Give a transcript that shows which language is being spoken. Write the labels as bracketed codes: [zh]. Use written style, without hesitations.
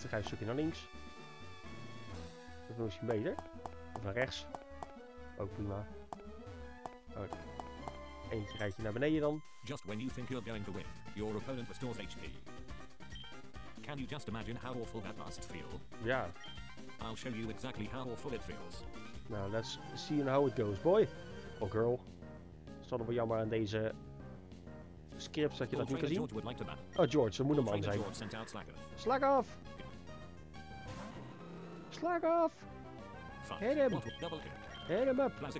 [nl] Dan ga je een stukje naar links. Dat moet je beter. Of naar rechts. Ook prima. Oh. Eentje rijdt je naar beneden dan. [en] Just when you think you're going to win, your opponent restores HP. Can you just imagine how awful that must feel? Ja. I'll show you exactly how awful it feels. Nou, let's see how it goes, boy. Oh, girl. [nl] Is dat wel jammer aan deze scripts dat je dat niet kan zien? Oh, George, dat moet een man zijn. Slag af! Slag af! [en] Hit him! Hit him up!